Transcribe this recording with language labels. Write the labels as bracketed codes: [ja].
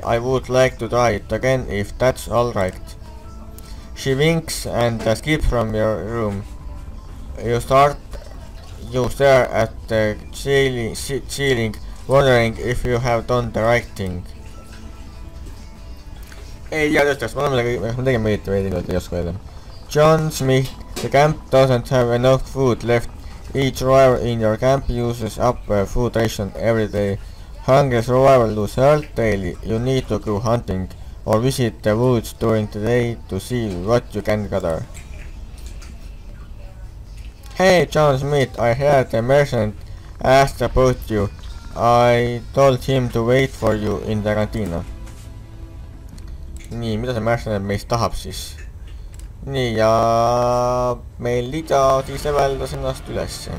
[en] I would like to try it again if that's all right. She winks and escapes from your room. You stare at the ceiling, wondering if you have done the right thing. [et] Ei tea tõesti, kas me tegime mõõti või tegelikult ei oska öelda. [en] John Smith, the camp doesn't have enough food left. Each survivor in your camp uses up a food ration every day. Hungry survivors lose health daily. You need to go hunting or visit the woods during the day to see what you can gather. Hey John Smith, I heard a merchant asked about you. I told him to wait for you in the cantina. [et] Nii, mida see merchant meist tahab siis? Nii, ja meil Lydia siis eveldas ennast üles.